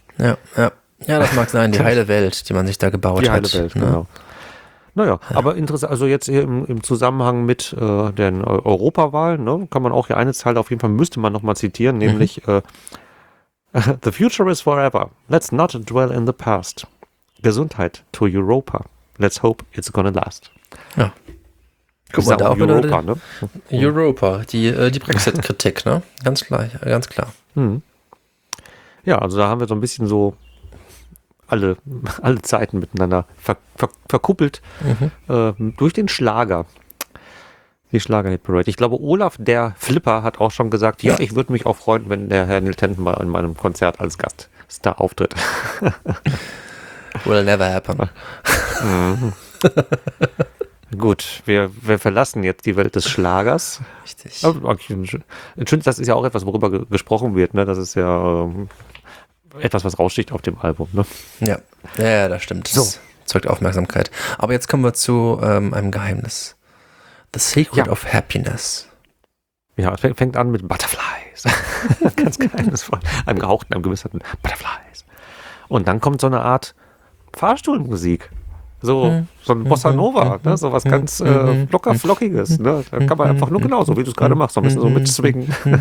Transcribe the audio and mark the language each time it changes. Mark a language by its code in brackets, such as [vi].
[de] Ja, das mag sein, die heile Welt, die man sich da gebaut hat. Die heile Welt, ne? Genau. Naja, aber interessant, also jetzt im Zusammenhang mit der Europawahl, ne, kann man auch hier eine Zeile auf jeden Fall, müsste man nochmal zitieren, nämlich [en] The future is forever. Let's not dwell in the past. Gesundheit to Europa. Let's hope it's gonna last. [de] Ja. Guck mal, da auch Europa, wieder ne? Europa, die Brexit-Kritik, ne? Ganz klar. Mhm. Ja, also da haben wir so ein bisschen so alle Zeiten miteinander verkuppelt durch den Schlager. Die Schlager-Hit-Parade. Ich glaube, Olaf der Flipper hat auch schon gesagt, ja, ich würde mich auch freuen, wenn der Herr Neil Tenton mal in meinem Konzert als Gaststar auftritt. [en] Will never happen. [de] Gut, wir verlassen jetzt die Welt des Schlagers. Richtig. Das ist ja auch etwas, worüber gesprochen wird. Ne? Das ist ja etwas, was raussticht auf dem Album. Ne? Ja, das stimmt. Das zeugt Aufmerksamkeit. Aber jetzt kommen wir zu einem Geheimnis. [en] The Secret of Happiness. [de] Ja, es fängt an mit Butterflies. Ganz geheimnisvoll. Einem gehauchten, einem gewisserten Butterflies. Und dann kommt so eine Art Fahrstuhlmusik. So ein Bossa Nova, ne? So was ganz Flockiges. Ne? Da kann man einfach nur genauso, wie du es gerade machst, so ein bisschen so mit Swingen.